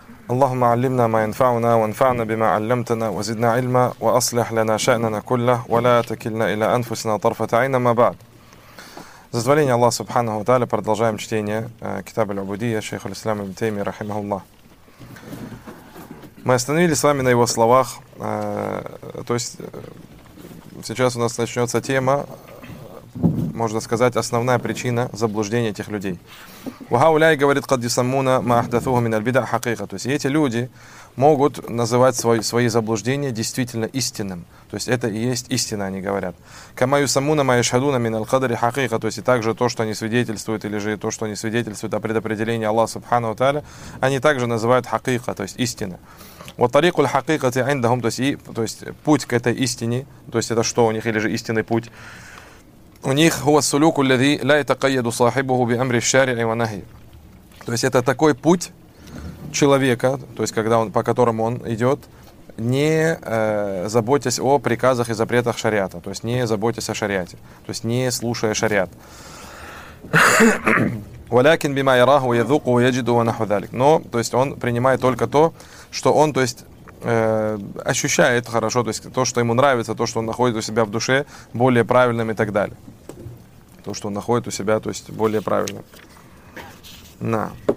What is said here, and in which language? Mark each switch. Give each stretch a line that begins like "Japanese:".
Arabic: اللهم علمنا ما ينفعنا وانفعنا بما علمتنا وزدنا علما وأصلح لنا شأننا كله ولا تكلنا إلى أنفسنا طرفة عين. ما بعد. زدولين الله سبحانه وتعالى
Russian: продолжаем чтение
Arabic: كتاب العبودية شيخ الإسلام ابن تيمية رحمه الله.
Russian: Мы остановились с вами на его словах, то есть сейчас у нас начнется тема, можно сказать, основная причина заблуждения этих людей. Вахауляй говорит,
Arabic: каддисамуна маахдатуху мин аль-бида хакика.
Russian: То есть эти люди могут называть свои заблуждения действительно истинным. То есть это и есть истина, они говорят.
Arabic: Камаюсамуна маяшхадуна мин аль-кадри хакика.
Russian: То есть и также то, что они свидетельствуют, или же то, что они свидетельствуют о предопределении Аллаха Субхану Тааля, они также называют хакика, то есть истина. Вот
Arabic: тарику аль-хакикати индахум,
Russian: то есть путь к этой истине, то есть это что у них, или же истинный путь. У них
Arabic: هو السلوك الذي لا يتقيد صاحبه بأمر الشارع ونهي.
Russian: То есть это такой путь человека, то есть когда он, по которому он идет, не заботясь о приказах и запретах шариата, то есть не заботясь о шариате, то есть не слушая шариат.
Arabic: ولكن بما يراه ويذوق ويجد ونحو ذلك.
Russian: Но, то есть он принимает только то, что он, то есть ощущает хорошо, то есть то, что ему нравится, то, что он находит у себя в душе более правильным и так далее. То, что он находит у себя, то есть более правильным. На.